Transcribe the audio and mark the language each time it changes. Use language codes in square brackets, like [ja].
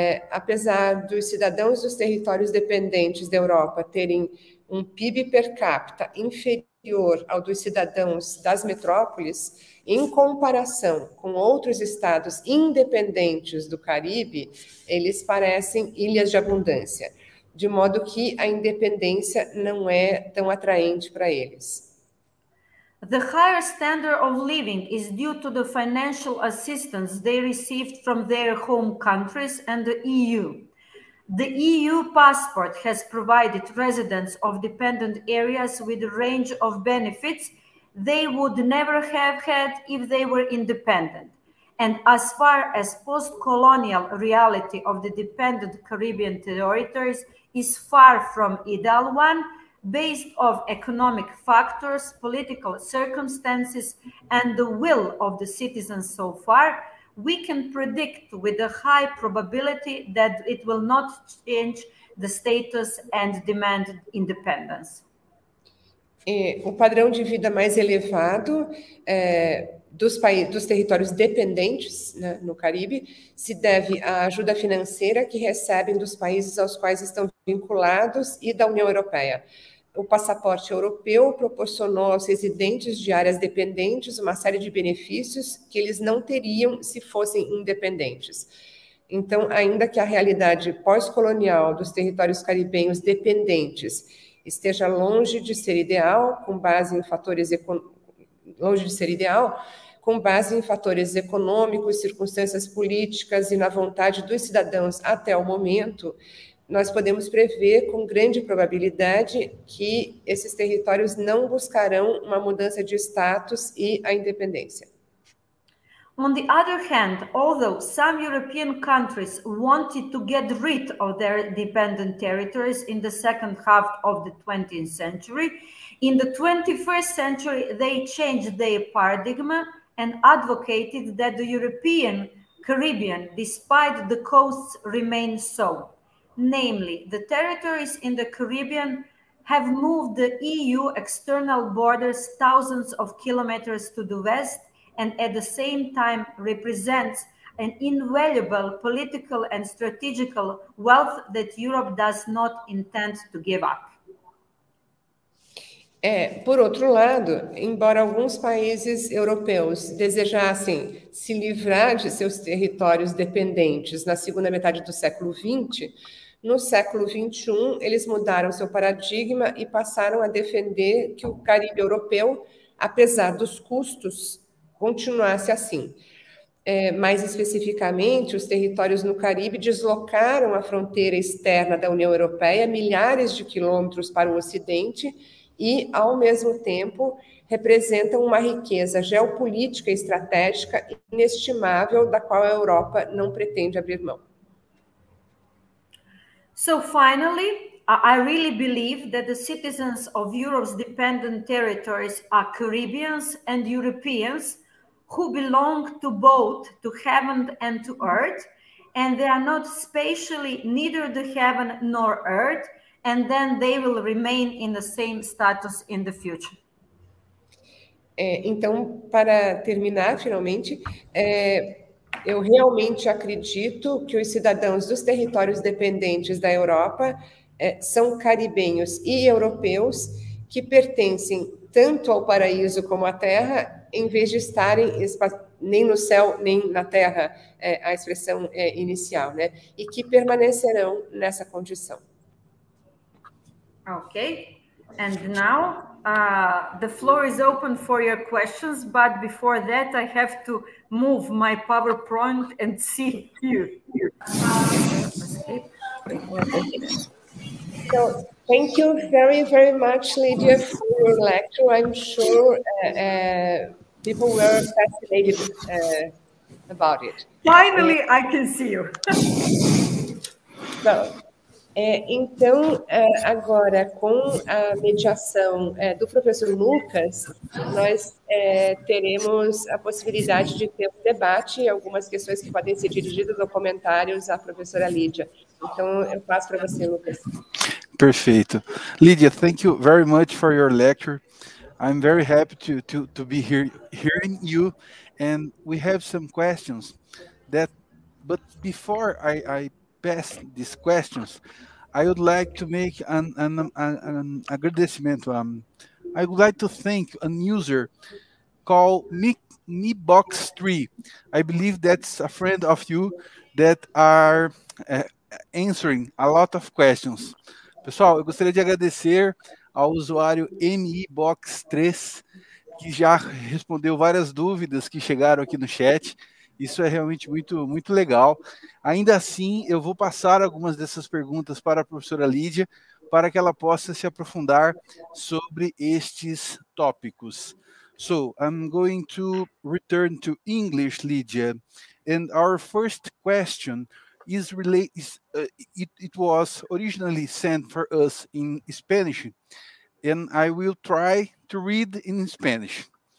[pt] Apesar dos cidadãos dos territórios dependentes da Europa terem um PIB per capita inferior ao dos cidadãos das metrópoles, em comparação com outros estados independentes do Caribe, eles parecem ilhas de abundância, de modo que a independência não é tão atraente para eles. [en] The higher standard of living is due to the financial assistance they received from their home countries and the EU. The EU passport has provided residents of dependent areas with a range of benefits they would never have had if they were independent. And as far as post-colonial reality of the dependent Caribbean territories is far from ideal one, based on economic factors, political circumstances, and the will of the citizens so far, we can predict with a high probability that it will not change the status and demand independence. [pt] O padrão de vida mais elevado dos territórios dependentes, né, no Caribe, se deve à ajuda financeira que recebem dos países aos quais estão vinculados e da União Europeia. O passaporte europeu proporcionou aos residentes de áreas dependentes uma série de benefícios que eles não teriam se fossem independentes. Então, ainda que a realidade pós-colonial dos territórios caribenhos dependentes esteja longe de ser ideal, com base em fatores econômicos, circunstâncias políticas e na vontade dos cidadãos até o momento, nós podemos prever com grande probabilidade que esses territórios não buscarão uma mudança de status e a independência. [en] On the other hand, although some European countries wanted to get rid of their dependent territories in the second half of the 20th century, in the 21st century they changed their paradigm and advocated that the European Caribbean, despite the coasts, remain so. Namely, the territories in the Caribbean have moved the EU external borders thousands of kilometers to the west and at the same time represents an invaluable political and strategical wealth that Europe does not intend to give up. [pt] Por outro lado, embora alguns países europeus desejassem se livrar de seus territórios dependentes na segunda metade do século XX, no século XXI, eles mudaram seu paradigma e passaram a defender que o Caribe europeu, apesar dos custos, continuasse assim. Mais especificamente, os territórios no Caribe deslocaram a fronteira externa da União Europeia milhares de quilômetros para o Ocidente e, ao mesmo tempo, representam uma riqueza geopolítica e estratégica inestimável da qual a Europa não pretende abrir mão. [en] So finally, I really believe that the citizens of Europe's dependent territories are Caribbeans and Europeans who belong to both to heaven and to earth, and they are not spatially neither the heaven nor earth, and then they will remain in the same status in the future. [pt] Então, para terminar, finalmente, eu realmente acredito que os cidadãos dos territórios dependentes da Europa são caribenhos e europeus que pertencem tanto ao paraíso como à terra, em vez de estarem nem no céu nem na terra, a expressão inicial, né? E que permanecerão nessa condição. [en] Okay, and now the floor is open for your questions, but before that I have to move my PowerPoint and see you. So, thank you very, very much, Lydia, for your lecture. I'm sure people were fascinated about it. Finally, I can see you. [pt] So, então, agora, com a mediação do professor Lucas, nós teremos a possibilidade de ter um debate e algumas questões que podem ser dirigidas ou comentários à professora Lídia. Então, eu passo para você, Lucas. Perfeito. [en] Lídia, thank you very much for your lecture. I'm very happy to be here hearing you. And we have some questions that, but before I pass these questions, I would like to make an agradecimento. I would like to thank a user called MeBox3. I believe that's a friend of you that are answering a lot of questions. [pt] Pessoal, eu gostaria de agradecer ao usuário MeBox3, que já respondeu várias dúvidas que chegaram aqui no chat. Isso é realmente muito, muito legal. Ainda assim, eu vou passar algumas dessas perguntas para a professora Lídia, para que ela possa se aprofundar sobre estes tópicos. [en] So, I'm going to return to English, Lídia. And our first question is related, it was originally sent for us in Spanish. And I will try to read in Spanish.